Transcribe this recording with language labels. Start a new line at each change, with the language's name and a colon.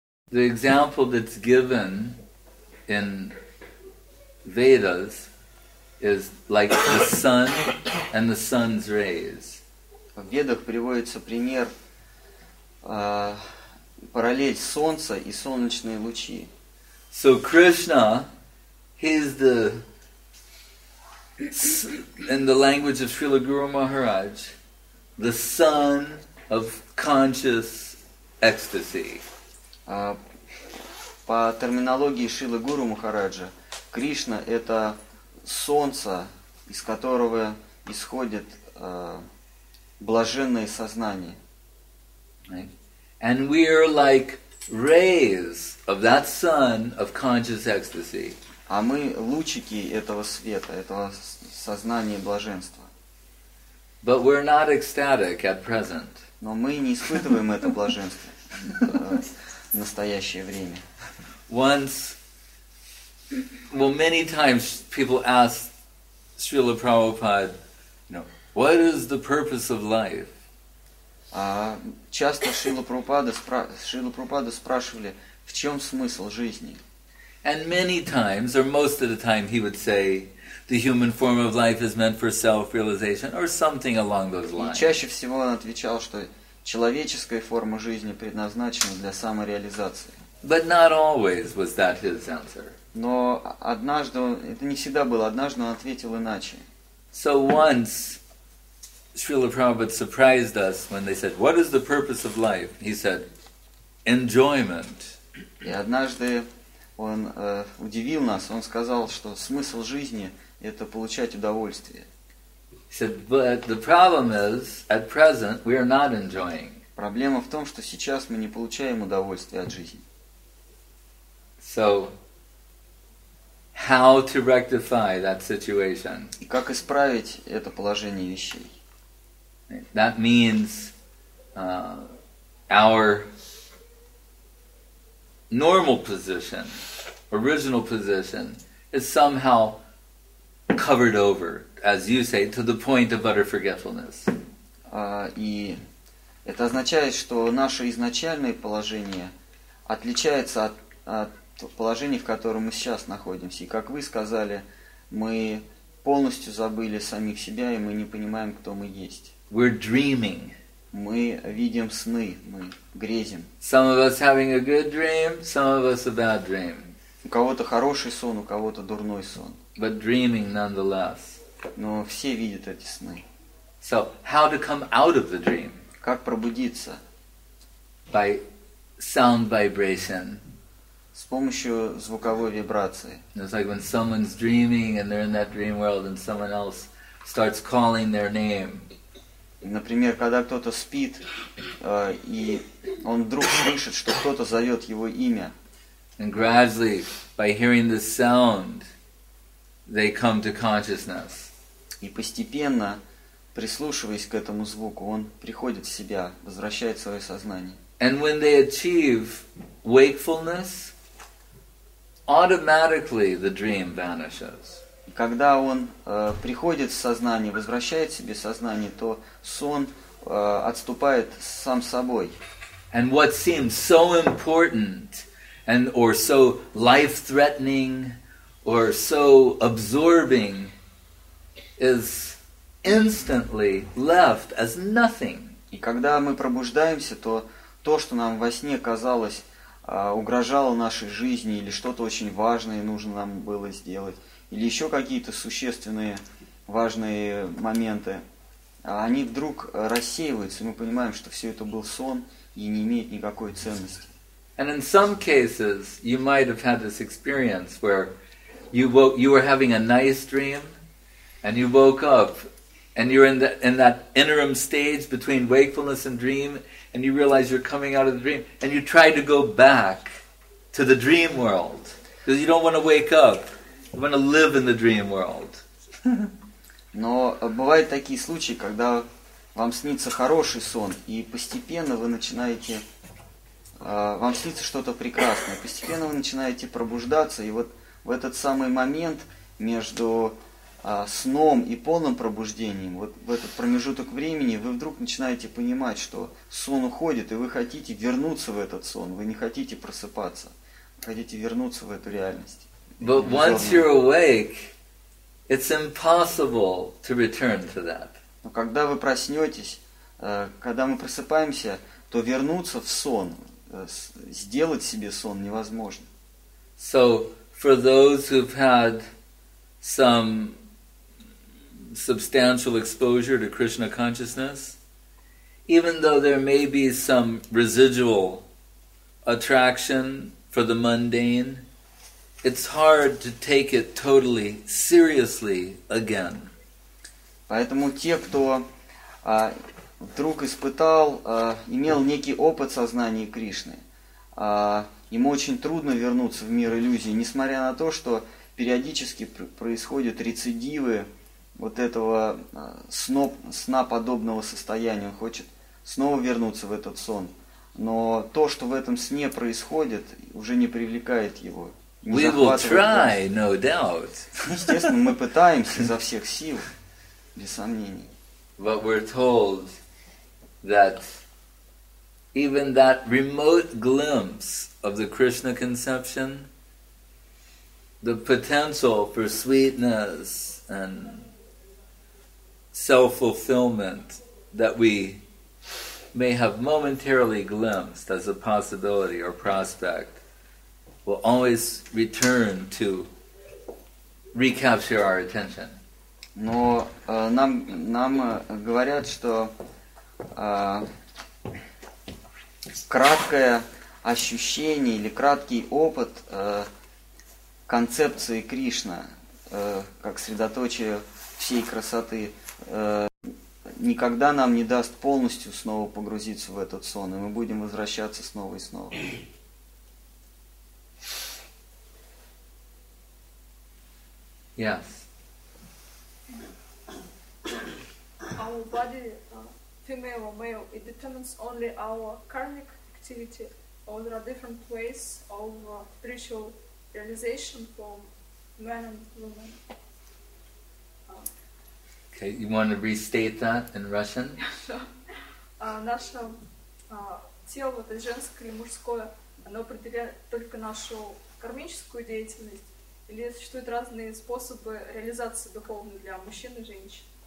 English: The example that's given in Vedas is like the sun and the sun's rays.
Russian: В Ведах приводится пример параллель солнца и солнечные лучи.
English: So Krishna, he's the in the language of Srila Guru Maharaj, the sun of conscious ecstasy.
Russian: По терминологии Шрилы Гуру Махараджа, Кришна — это солнце, из которого исходит блаженное сознание.
English: And we are like rays of that sun of conscious ecstasy.
Russian: А мы лучики этого света, этого сознания блаженства.
English: But we're not ecstatic at present.
Russian: Но мы не испытываем это блаженство в настоящее время.
English: Many times people ask Srila Prabhupada, what is the purpose of life?
Russian: Часто Шрила Прабхупада спрашивали, в чем смысл жизни?
English: And many times, or most of the time, he would say, the human form of life is meant for self-realization, or something along those lines.
Russian: И чаще всего он отвечал, что человеческая форма жизни предназначена для самореализации.
English: But not always was that his answer.
Russian: Но однажды, это не всегда было, однажды он ответил иначе.
English: So once, Srila Prabhupada surprised us when they said, what is the purpose of life? He said, enjoyment.
Russian: И однажды он удивил нас, он сказал, что смысл жизни – это получать удовольствие.
English: He said, but the problem is, at present, we are not enjoying.
Russian: Проблема в том, что сейчас мы не получаем удовольствие от жизни.
English: So, how to rectify that situation?
Russian: И как исправить это положение вещей?
English: That means our normal position, original position, is somehow covered over, as you say, to the point of utter forgetfulness.
Russian: И это означает, что наше изначальное положение отличается от положение, в котором мы сейчас находимся. И как вы сказали, мы полностью забыли самих себя, и мы не понимаем, кто мы есть.
English: We're dreaming.
Russian: Мы видим сны, мы грезим.
English: Some of us having a good dream, some of us a bad dream.
Russian: У кого-то хороший сон, у кого-то дурной сон.
English: But dreaming nonetheless.
Russian: Но все видят эти сны.
English: So, how to come out of the dream?
Russian: Как пробудиться?
English: By sound vibration.
Russian: С помощью звуковой вибрации.
English: It's like when someone's dreaming and they're in that dream world and someone else starts calling their name.
Russian: Например, когда кто-то спит, и он вдруг слышит, что кто-то зовет его имя.
English: And gradually, by hearing the sound, they come to consciousness.
Russian: И постепенно, прислушиваясь к этому звуку, он приходит в себя, возвращает свое сознание.
English: And when they achieve wakefulness, automatically the dream vanishes.
Russian: Когда он приходит в сознание, возвращает себе сознание, то сон отступает сам собой.
English: And what seems so important and or so life-threatening or so absorbing is instantly left as nothing.
Russian: И когда мы пробуждаемся, то, что нам во сне казалось угрожало нашей жизни, или что-то очень важное нужно нам было сделать, или еще какие-то существенные важные моменты, они вдруг рассеиваются, и мы понимаем, что все это был сон и не имеет никакой ценности.
English: And in some cases, you might have had this experience where you were having a nice dream, and you woke up, and you're in that interim stage between wakefulness and dream, and you realize you're coming out of the dream, and you try to go back to the dream world, because you don't want to wake up, you want to live in the dream world.
Russian: Но бывают такие случаи, когда вам снится хороший сон, и постепенно вы начинаете, вам снится что-то прекрасное, постепенно вы начинаете пробуждаться, и вот в этот самый момент между сном и полным пробуждением, вот в этот промежуток времени вы вдруг начинаете понимать, что сон уходит, и вы хотите вернуться в этот сон, вы не хотите просыпаться, вы хотите вернуться в эту реальность.
English: But once you're awake, it's impossible to return to that.
Russian: Но когда вы проснетесь, когда мы просыпаемся, то вернуться в сон, сделать себе сон невозможно.
English: So, for those who've had some substantial exposure to Krishna consciousness, even though there may be some residual attraction for the mundane, it's hard to take it totally seriously again.
Russian: Поэтому те, кто вдруг испытал, имел некий опыт сознания Кришны, им очень трудно вернуться в мир иллюзий, несмотря на то, что периодически происходят рецидивы вот этого сна подобного состояния. Он хочет снова вернуться в этот сон. Но то, что в этом сне происходит, уже не привлекает его.
English: We will try, no doubt.
Russian: Естественно, мы пытаемся изо всех сил, без сомнений.
English: But we're told that even that remote glimpse of the Krishna conception, the potential for sweetness and self-fulfillment that we may have momentarily glimpsed as a possibility or prospect will always return to recapture our attention.
Russian: Но нам говорят, что краткое ощущение или краткий опыт концепции Кришна как средоточие всей красоты никогда нам не даст полностью снова погрузиться в этот сон, и мы будем возвращаться снова и снова.
English: Yes. Our body, female or male, it determines only our karmic activity, or there are different ways of spiritual realization for men and women. Okay, you want to restate that in Russian?
Russian: Наше тело, это женское и мужское, оно определяет только нашу кармическую деятельность. Или существуют разные способы реализации духовной для мужчин и женщин?